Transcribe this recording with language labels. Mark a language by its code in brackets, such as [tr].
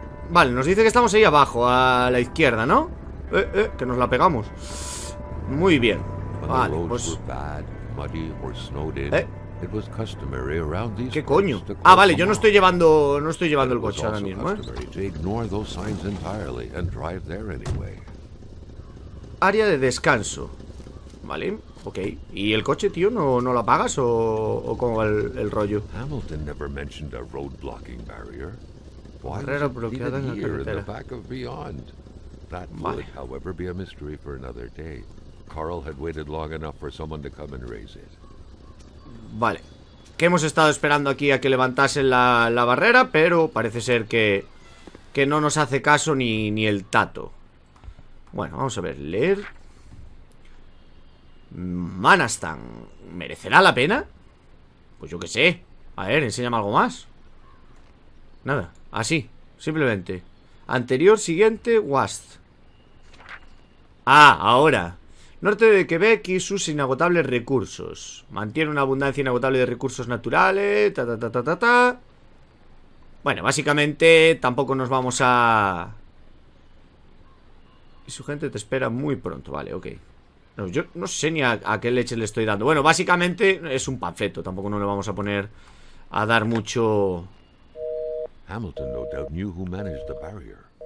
[es] Vale, nos dice que estamos ahí abajo, a la izquierda, ¿no? Que nos la pegamos. Muy bien. Vale, pues. [en] Muddy or snowed in, it was customary around these. [es] ¿Qué coño? Ah, vale, yo no estoy llevando el coche ahora mismo, ¿eh? [en] Ignore those signs entirely and drive there anyway. [es] Área de descanso. Vale, ok. ¿Y el coche, tío, no lo apagas o cómo va el rollo? [en] Hamilton never mentioned a road blocking barrier. [es] Barrera bloqueada en la carretera. [en] That would, however, be a mystery for another day. Carl had waited long enough for someone to come and raise it. [es] Vale. que hemos estado esperando aquí a que levantasen la barrera, pero parece ser que no nos hace caso ni el tato. Bueno, vamos a ver, leer. Manastan, ¿merecerá la pena? Pues yo qué sé. A ver, enséñame algo más. Nada, así, simplemente. Anterior, siguiente, Wast. Ah, ahora. Norte de Quebec y sus inagotables recursos. Mantiene una abundancia inagotable de recursos naturales. Ta, ta, ta, ta, ta, ta. Bueno, básicamente tampoco nos vamos a... Y su gente te espera muy pronto, vale, ok. No, yo no sé ni a qué leche le estoy dando. Bueno, básicamente es un panfleto. Tampoco no le vamos a poner a dar mucho. [en] Hamilton, no doubt, knew who managed the barrier.